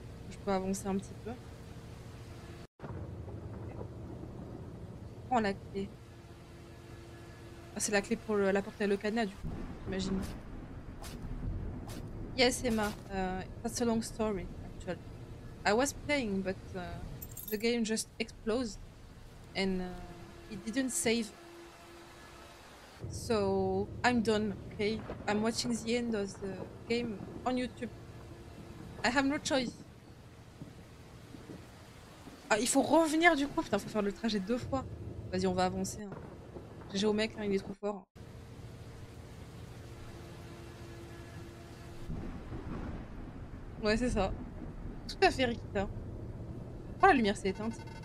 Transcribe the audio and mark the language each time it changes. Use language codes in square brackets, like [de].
[fr] Je peux avancer un petit peu. Prends la clé. Ah, c'est la clé pour la porte et le cadenas, du coup, j'imagine. [en] Yes, Emma. That's a long story, actually. I was playing, but the game just explodes. And it didn't save. So I'm done, okay? I'm watching the end of the game on YouTube. I have no choice. [fr] Ah, il faut revenir du coup. Putain, faut faire le trajet deux fois. Vas-y, on va avancer, hein. GG au mec, hein, il est trop fort. Ouais, c'est ça. Tout à fait, Rikita. Oh, la lumière s'est éteinte.